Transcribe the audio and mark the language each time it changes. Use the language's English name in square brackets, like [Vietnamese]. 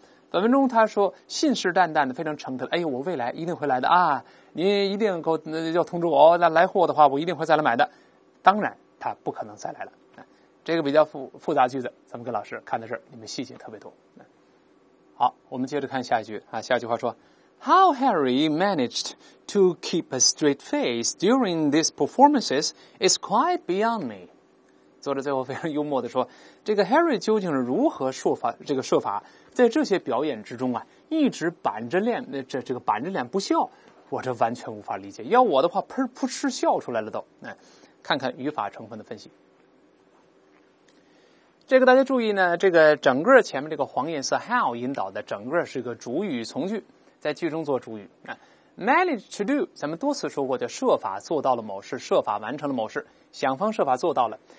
[Chinese] 本文中他说信誓旦旦的，非常诚恳，哎呦，我未来一定会来的啊，您一定够要通知我，那来货的话我一定会再来买的，当然他不可能再来了。这个比较复杂句子，咱们跟老师看的是你们细节特别多。好，我们接着看下一句啊，下一句话说 [English] How Harry managed to keep a straight face during these performances is quite beyond me。 [Chinese] 作者最后非常幽默地说，这个 Harry 究竟是如何设法在这些表演之中啊，一直板着脸，板着脸不笑，我这完全无法理解，要我的话喷扑哧笑出来了都。看看语法成分的分析，这个大家注意呢，这个整个前面这个黄颜色 how 引导的整个是个主语从句，在句中做主语、manage to do 咱们多次说过，就设法做到了某事，设法完成了某事，想方设法做到了。